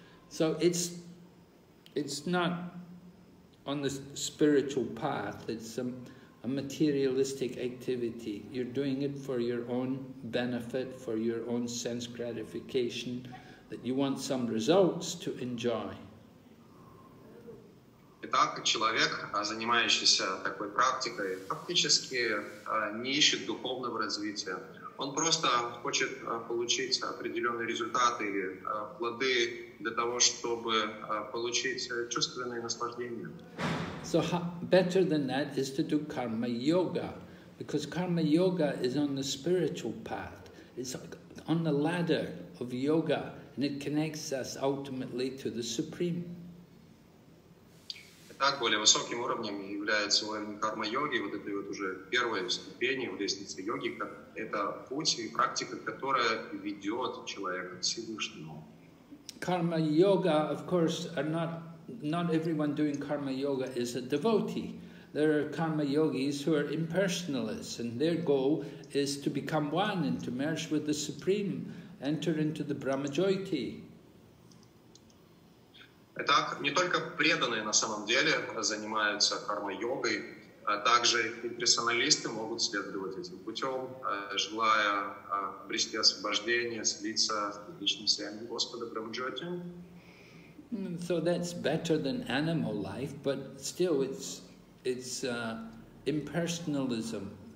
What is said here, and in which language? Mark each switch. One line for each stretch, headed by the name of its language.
English: So it's not on the spiritual path, it's a materialistic activity. You're doing it for your own benefit, for your own sense gratification, that you want some results to enjoy.
Russian: Итак, человек, занимающийся такой практикой, фактически не ищет духовного развития. Он просто хочет получить определенные результаты или плоды для того, чтобы получить чувственное наслаждение.
English: So better than that is to do karma yoga, Because karma yoga is on the spiritual path. It's on the ladder of yoga, and it connects us ultimately to the Supreme.
Russian: Так, более высоким уровнем является карма-йоги, вот этой вот уже первой ступени в лестнице йоги, как это путь и практика, которая ведет человека к Всевышнему.
English: Карма-йога, of course, are not everyone doing karma-yoga is a devotee. There are karma-yogis who are impersonalists, and their goal is to become one and to merge with the Supreme, enter into the Brahma-jyoti.
Russian: Итак, не только преданные на самом деле занимаются карма-йогой, а также имперсоналисты могут следовать этим путем, желая обрести освобождение, слиться с личным сиянием Господа Брахмаджоти.
English: So that's better than animal life, but still it's impersonalism.